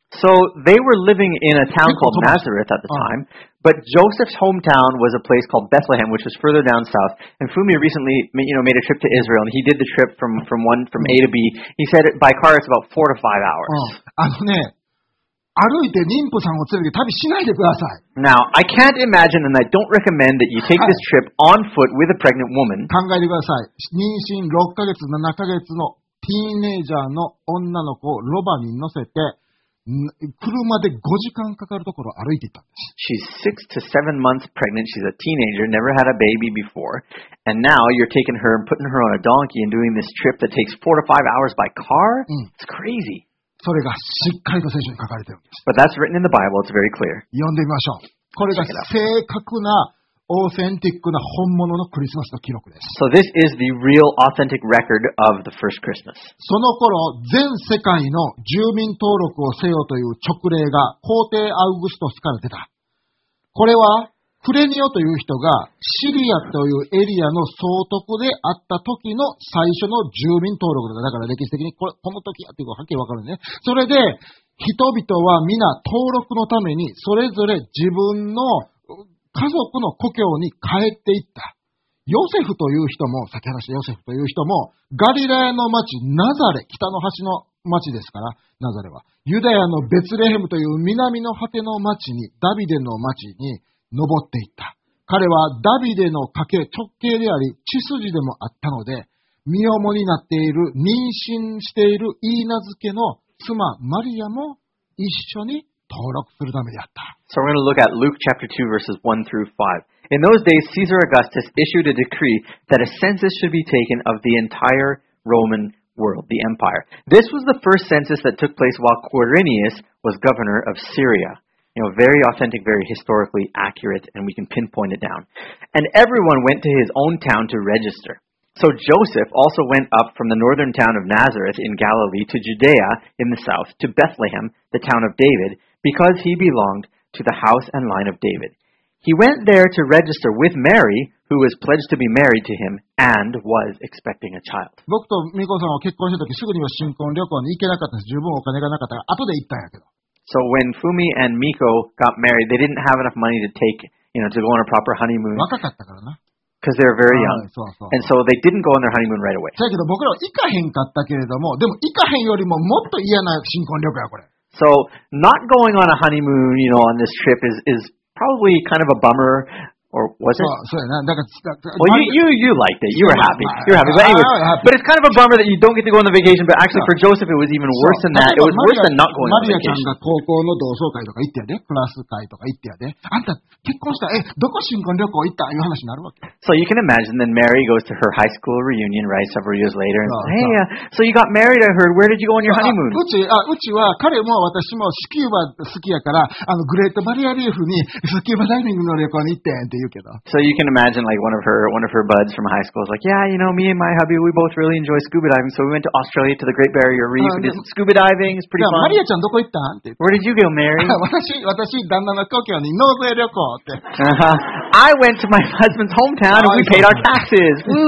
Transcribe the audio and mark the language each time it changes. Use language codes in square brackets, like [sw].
[en] So they were living in a town called Nazareth at the time, but Joseph's hometown was a place called Bethlehem, which was further down south. And Fumi recently, you know, made a trip to Israel, and he did the trip from A to B. He said by car it's about 4 to 5 hours. [ja] あのね、歩いて妊婦さんを連れて旅しないでください。 [en] Now, I can't imagine and I don't recommend that you take this trip on foot with a pregnant woman. [ja] 考えてください。妊娠6ヶ月、7ヶ月のティーンエイジャーの女の子をロバに乗せて、車で5時間かかるところを歩いていったんです。 [en] She's 6 to 7 months pregnant. She's a teenager, never had a baby before. And now you're taking her and putting her on a donkey and doing this trip that takes 4 to 5 hours by car? It's crazy. [ja] それがしっかりと聖書に書かれているんです。 [en] But that's written in the Bible. It's very clear. [ja] 読んでみましょう。これが正確なオーセンティックな本物のクリスマスの記録です。 [en] So this is the real authentic record of the first Christmas. [ja] その頃、全世界の住民登録をせよという勅令が皇帝アウグストスから出た。これはクレニオという人がシリアというエリアの総督であった時の最初の住民登録だ。だから歴史的にこの時やっていうのははっきりわかるね。それで人々は皆登録のためにそれぞれ自分の家族の故郷に帰っていった。ヨセフという人も、先話したヨセフという人もガリラヤの町ナザレ、北の端の町ですから、ナザレは。ユダヤのベツレヘムという南の果ての町に、ダビデの町に、登っていった。彼はダビデの家系直系であり血筋でもあったので身重になっている妊娠しているイーナ付けの妻マリアも一緒に登録するためであった。 [en] So we're going to look at Luke chapter 2 verses 1 through 5. In those days, Caesar Augustus issued a decree that a census should be taken of the entire Roman world, the empire. This was the first census that took place while Quirinius was governor of Syria. You know, very authentic, very historically accurate, and we can pinpoint it down. And everyone went to his own town to register. So Joseph also went up from the northern town of Nazareth in Galilee to Judea in the south, to Bethlehem, the town of David, because he belonged to the house and line of David. He went there to register with Mary, who was pledged to be married to him and was expecting a child. [ja] 僕と美子さんは結婚した時、すぐには新婚旅行に行けなかったです。十分お金がなかったから、後で行ったんやけど。 [en] So when Fumi and Miko got married, they didn't have enough money to take, you know, to go on a proper honeymoon. [ja] 若かったからな。 [en] Because they were very young. [ja] そうそう。 [en] And so they didn't go on their honeymoon right away. [ja] だけど僕らは行かへんかったけれども、でも行かへんよりももっと嫌な新婚旅行やこれ。 [en] So not going on a honeymoon, you know, on this trip is probably kind of a bummer. Or was it? Well, you liked it. You were happy. You were happy. But anyway, but it's kind of a bummer that you don't get to go on the vacation. But actually, for Joseph, it was even worse than that. It was worse than not going on vacation. [ja] マリアちゃんが高校の同窓会とか行ってやで、クラス会とか行ってやで。あんた結婚した。え、どこ新婚旅行行った？いう話になるわけ。 [en] So you can imagine then Mary goes to her high school reunion, right? Several years later, and hey, so you got married. I heard. Where did you go on your honeymoon? [ja] うちは彼も私もスキューバ好きやから、あのグレートバリアリーフにスキューバダイビングの旅行に行ってんって。 [en] So you can imagine like one of her buds from high school is like, yeah, you know, me and my hubby, we both really enjoy scuba diving. So we went to Australia to the Great Barrier Reef. We did scuba diving. It's pretty fun. [ja] マリアちゃんどこ行ったん？ [en] Where did you go, Mary? [ja] 私旦那の故郷にノルウェー旅行って。 [en] I went to my husband's hometown and we paid our taxes.